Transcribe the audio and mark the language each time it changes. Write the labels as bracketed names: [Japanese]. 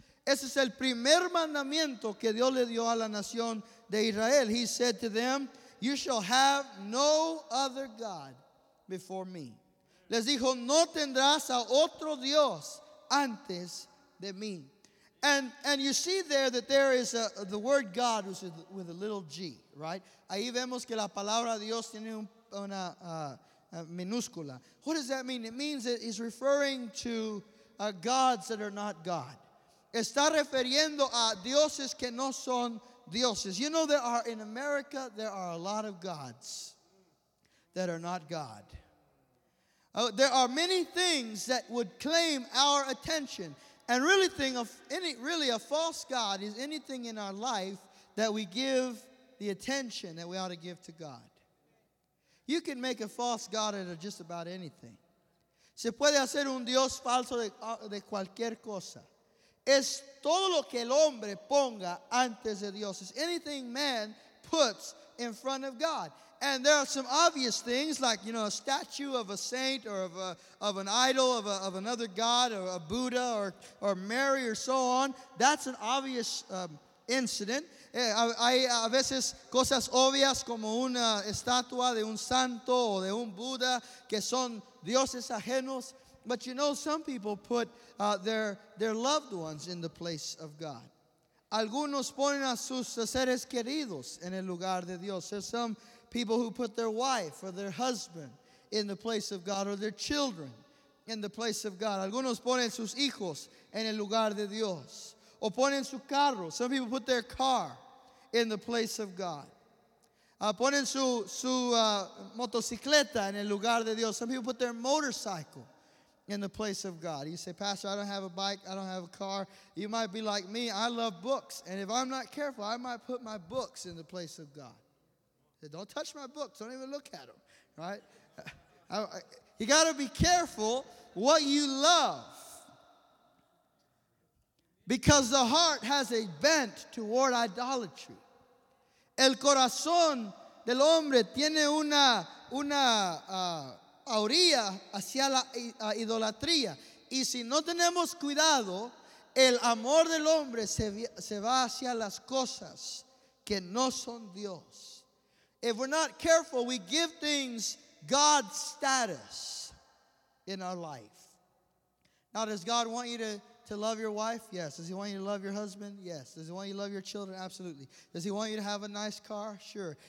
[Spanish] Ese es el primer mandamiento que Dios le dio a la nación de Israel. [English] He said to them, you shall have no other God before me. [Spanish] Les dijo, no tendrás a otro Dios antes de mí. [English] And you see there that there is a, the word God is with a little g, right? [Spanish] Ahí vemos que la palabra Dios tiene una minúscula. [English] What does that mean? It means that he's referring to gods that are not God. [Spanish] Está refiriendo a dioses que no son dioses. [English] You know, there are in America, there are a lot of gods that are not God. There are many things that would claim our attention. And really thing of any really a false god is anything in our life that we give the attention that we ought to give to God. You can make a false god out of just about anything. [Spanish] Se puede hacer un Dios falso de cualquier cosa. Es todo lo que el hombre ponga antes de Dios. [English] It's anything man puts in front of God. And there are some obvious things like, you know, a statue of a saint or of an idol of another god or a Buddha or Mary or so on. That's an obvious incident. [Spanish] Hay a veces cosas obvias como una estatua de un santo o de un Buddha que son dioses ajenos. [English] But you know, some people put their loved ones in the place of God. [Spanish] Algunos ponen a sus seres queridos en el lugar de Dios. [English] There's some people who put their wife or their husband in the place of God or their children in the place of God. [Spanish] Algunos ponen sus hijos en el lugar de Dios. O ponen su carro. [English] Some people put their car in the place of God. [Spanish] Ponen su motocicleta en el lugar de Dios. [English] Some people put their motorcycle in the place of God. You say, Pastor, I don't have a bike, I don't have a car. You might be like me, I love books. And if I'm not careful, I might put my books in the place of God. Say, don't touch my books, don't even look at them, right? You got to be careful what you love. Because the heart has a bent toward idolatry. [Spanish] El corazón del hombre tiene una orilla hacia la idolatría. Y si no tenemos cuidado, el amor del hombre se va hacia las cosas que no son Dios. [English] If we're not careful, we give things God status in our life. Now, does God want you to love your wife? Yes. Does he want you to love your husband? Yes. Does he want you to love your children? Absolutely. Does he want you to have a nice car? Sure.